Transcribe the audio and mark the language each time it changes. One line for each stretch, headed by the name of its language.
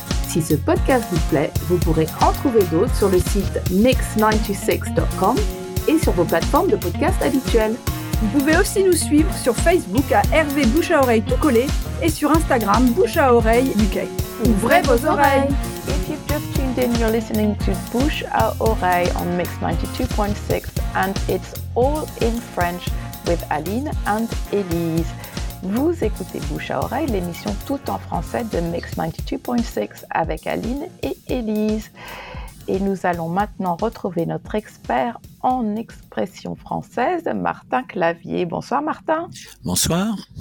French: Si ce podcast vous plaît, vous pourrez en trouver d'autres sur le site mix96.com et sur vos plateformes de podcast habituelles. Vous pouvez aussi nous suivre sur Facebook à Hervé Bouche à Oreille tout collé et sur Instagram Bouche à Oreille UK. Ouvrez vos oreilles!
English: Then you're listening to Bouche à Oreille on Mix 92.6 and it's all in French with Aline and Elise.
French: Vous écoutez Bouche à Oreille, l'émission tout en français de Mix 92.6 avec Aline et Elise. Et nous allons maintenant retrouver notre expert en expression française, Martin Clavier. Bonsoir Martin. Bonsoir.